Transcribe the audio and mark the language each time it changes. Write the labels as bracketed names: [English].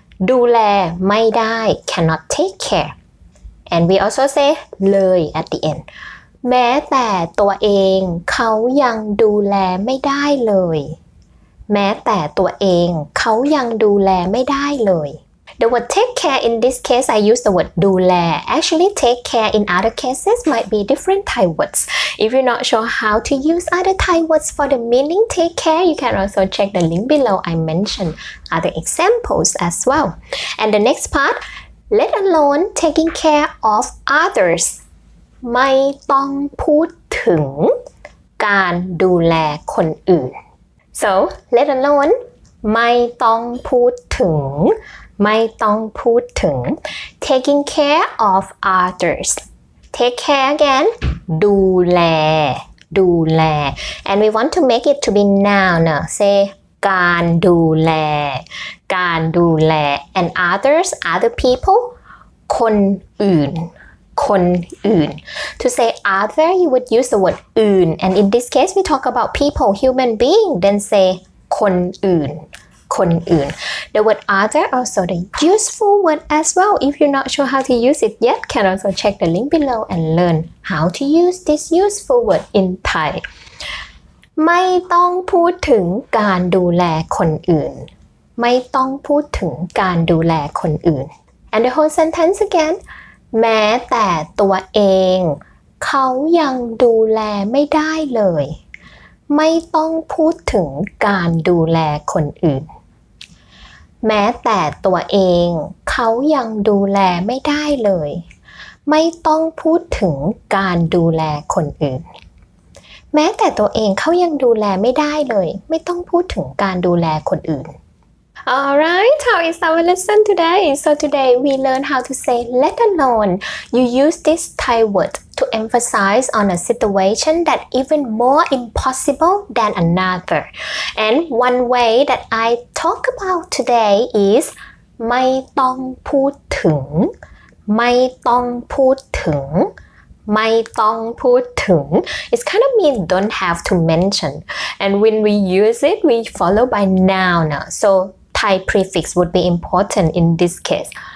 [Thai] ดูแลไม่ได้ [English] cannot take care and we also say เลย at the end [Thai] แม้แต่ตัวเองเขายังดูแลไม่ได้เลยแม้แต่ตัวเองเขายังดูแลไม่ได้เลย [English] The word take care in this case, I use the word ดูแล Actually, take care in other cases might be different Thai words. If you're not sure how to use other Thai words for the meaning take care, you can also check the link below. I mentioned other examples as well. And the next part, let alone taking care of others. [Thai] ไม่ต้องพูดถึงการดูแลคนอื่น [English] So, let alone, [Thai] ไม่ต้องพูดถึงไม่ต้องพูดถึง [English] taking care of others take care again ดูแลดูแล and we want to make it to be noun say การดูแล การดูแล and others other people [Thai] คนอื่นคนอื่น [English] to say other you would use the word อื่น and in this case we talk about people human being then say คนอื่นคนอื่น The word other also the useful word as well. If you're not sure how to use it yet, can also check the link below and learn how to use this useful word in Thai. [Thai] ไม่ต้องพูดถึงการดูแลคนอื่นไม่ต้องพูดถึงการดูแลคนอื่น [English] And the whole sentence again. [Thai] แม้แต่ตัวเองเขายังดูแลไม่ได้เลยไม่ต้องพูดถึงการดูแลคนอื่นแม้แต่ตัวเองเขายังดูแลไม่ได้เลยไม่ต้องพูดถึงการดูแลคนอื่นแม้แต่ตัวเองเขายังดูแลไม่ได้เลยไม่ต้องพูดถึงการดูแลคนอื่น [English] Alright, how is our lesson today? So today we learn how to say let alone. You use this Thai word to emphasize on a situation that even more impossible than another. And one way that I talk about today is [Thai] ไม่ต้องพูดถึงไม่ต้องพูดถึงไม่ต้องพูดถึง [English] it's kind of mean don't have to mention and when we use it we follow by noun so Thai prefix would be important in this case